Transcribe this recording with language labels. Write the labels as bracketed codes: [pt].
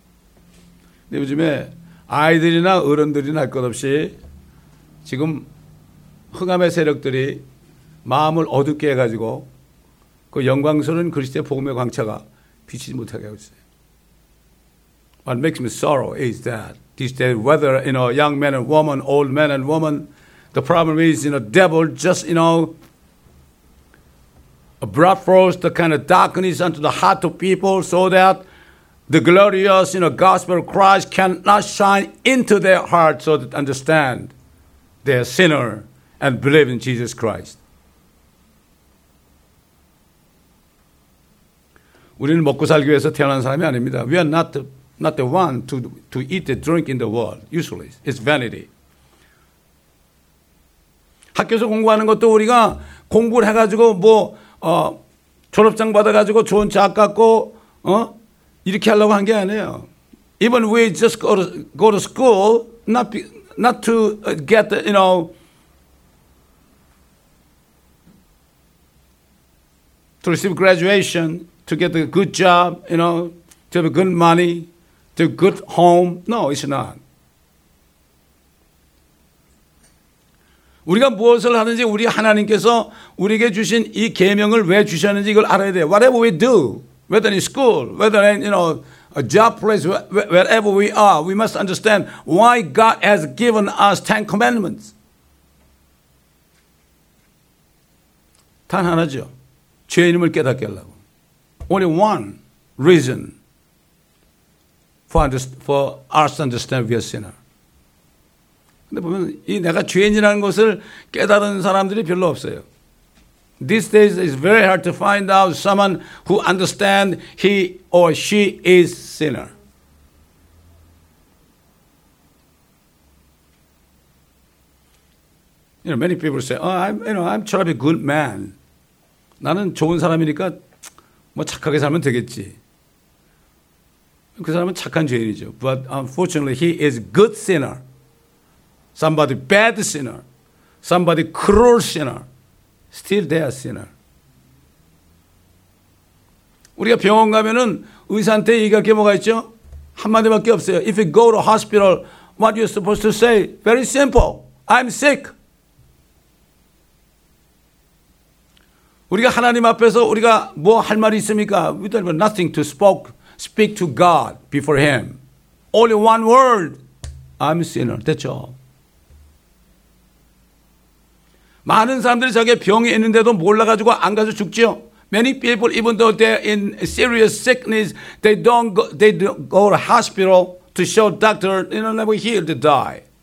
[ko] 근데 요즘에 아이들이나 어른들이나 할 것 없이 지금 흑암의 세력들이 마음을 어둡게 해가지고 그 영광스러운 그리스도의 복음의 광채가 비치지 못하게 하고 있어요. [en] What makes me sorrow is that these days, whether you know, young men and women, old men and women, the problem is, you know, devil just, you know, brought forth the kind of darkness into the heart of people so that the glorious, you know, gospel of Christ cannot shine into their heart so they understand they're a sinner and believe in Jesus Christ. [ko] 우리는 먹고 살기 위해서 태어난 사람이 아닙니다. [en] We are not the one to eat and drink in the world. Useless. It's vanity. [ko] 학교에서 공부하는 것도 우리가 공부를 해가지고 뭐 졸업장 받아가지고 좋은 자학 갖고 이렇게 하려고 한 게 아니에요. [en] Even we just go to school, not to get the, you know, to receive graduation, to get a good job, you know, to have a good money, to have a good home. No, it's not. [ko] 우리가 무엇을 하든지 우리 하나님께서 우리에게 주신 이 계명을 왜 주셨는지 이걸 알아야 돼. [en] Whatever we do. Whether in school, whether in, you know, a job place, wherever we are, we must understand why God has given us Ten Commandments. [ko] 단 하나죠. 죄인임을 깨닫게 하려고. [en] Only one reason for us to understand we are sinner. [ko] 근데 보면 이 내가 죄인이라는 것을 깨달은 사람들이 별로 없어요. [en] These days, it's very hard to find out someone who understands he or she is a sinner. You know, many people say, "Oh, I'm trying to be a good man. [ko] 나는 좋은 사람이니까 뭐 착하게 살면 되겠지." 그 사람은 착한 죄인이죠. [en] But unfortunately, he is a good sinner. Somebody bad sinner. Somebody cruel sinner. Still, they are sinner. [ko] 우리가 병원 가면은 의사한테 얘기할 게 뭐가 있죠? 한마디밖에 없어요. [en] If you go to hospital, what you're supposed to say? Very simple. I'm sick. [ko] 우리가 하나님 앞에서 우리가 뭐 할 말이 있습니까? [en] We don't have nothing to speak to God before Him. Only one word. I'm a sinner. That's all. [ko] 많은 사람들이 자기 병이 있는데도 몰라가지고 안 가서 죽지요. [en] Many people, even though they're in serious sickness, they don't go to hospital to show doctor, you know, never healed to die.